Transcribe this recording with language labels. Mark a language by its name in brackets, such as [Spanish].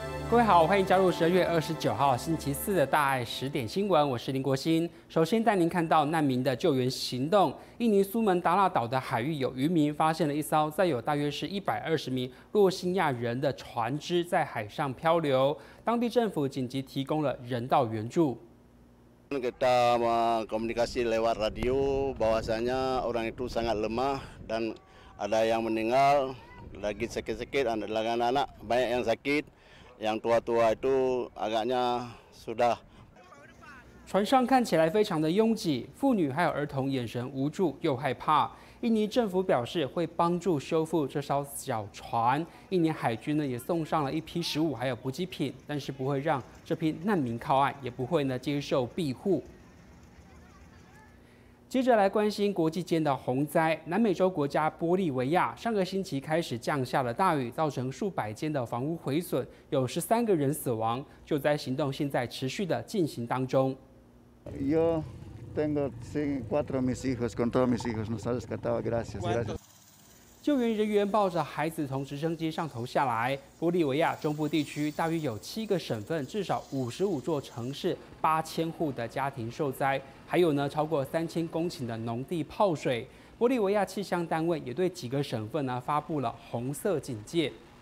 [Chinese] 各位好，欢迎加入12月29号星期四的大爱十点新闻，我是林国欣。首先带您看到难民的救援行动。印尼苏门答腊岛的海域有渔民发现了一艘载有大约是120名洛辛亚人的船只在海上漂流，当地政府紧急提供了人道援助。 [Indonesian] Kita mengkomunikasi lewat radio bahwasanya orang itu sangat lemah dan ada yang meninggal lagi sakit-sakit ada anak-anak banyak yang sakit yang tua-tua itu agaknya sudah。 [Chinese] 船上看起来非常的拥挤，妇女还有儿童眼神无助又害怕。印尼政府表示会帮助修复这艘小船，印尼海军呢也送上了一批食物还有补给品，但是不会让这批难民靠岸，也不会呢接受庇护。接着来关心国际间的洪灾。南美洲国家玻利维亚上个星期开始降下了大雨，造成数百间的房屋毁损，有13个人死亡，救灾行动现在持续的进行当中。 [Spanish] Yo tengo cuatro mis hijos, con todos mis hijos nos ha rescatado, gracias. [Chinese] 救援人员抱着孩子从直升机上头下来。玻利维亚中部地区大约有7个省份，至少55座城市、8000户的家庭受灾，还有呢超过3000公顷的农地泡水。玻利维亚气象单位也对几个省份呢发布了红色警戒。